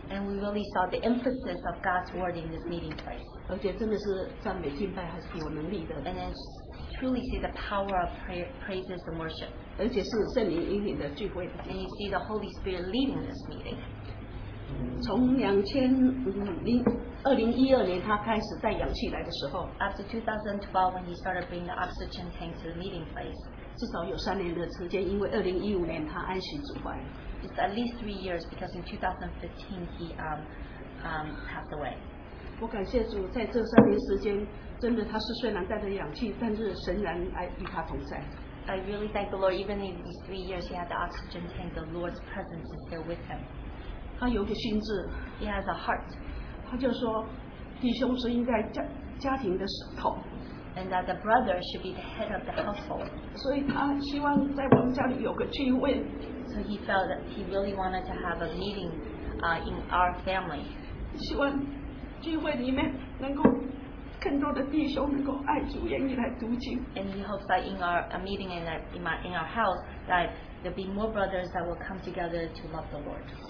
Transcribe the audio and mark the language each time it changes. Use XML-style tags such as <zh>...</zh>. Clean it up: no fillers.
<en>And we really saw the emphasis of God's word in this meeting place.</en> <zh>而且真的是赞美敬拜还是有能力的。</zh> <en>And then truly see the power of praises and worship.</en> <zh>而且是圣灵引领的聚会。</zh> <en>And you see the Holy Spirit leading this meeting.</en> <zh>从2012年他开始带氧气来的时候，</zh> <en>After 2012, when he started bringing the oxygen tank to the meeting place,</en> <zh>至少有3年的时间，因为2015年他安息主怀。</zh> <en>It's at least 3 years because in 2015 he passed away.</en> <zh>我感谢主，在这3年时间，真的他是虽然带着氧气，但是神仍然与他同在。</zh> <en>I really thank the Lord, even in these 3 years he had the oxygen tank, the Lord's presence is still with him. He has a heart.</en> <zh>他就说, 弟兄是应该家庭的首头,</zh> <en>and that the brother should be the head of the household.</en> <zh>所以他希望在我们家里有个聚会,</zh> <en>so he felt that he really wanted to have a meeting in our family.</en> <zh>希望聚会里面能够更多的弟兄能够爱主愿意来读经,</zh> <en>and he hopes that in our meeting in our house that there will be more brothers that will come together to love the Lord.</en>